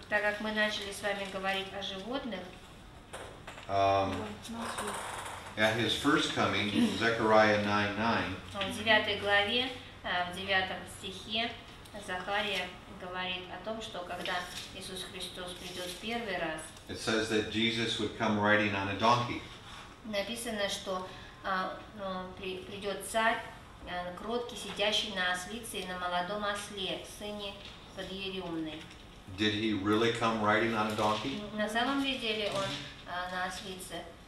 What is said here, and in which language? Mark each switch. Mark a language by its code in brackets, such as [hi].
[ru] так как мы начали с вами говорить о животных, [en] at his first coming, Zechariah 9:9, [ru] в 9 главе, в 9 стихе, Захария говорит о том, что когда Иисус Христос придет в первый раз, [en] it says that Jesus would come riding on a donkey. [ru] Написано, что придет царь, кроткий, сидящий на ослице и на молодом осле, сыне подъеремной. [en] Did he really come riding on a donkey? [ru] На самом деле он на ослице.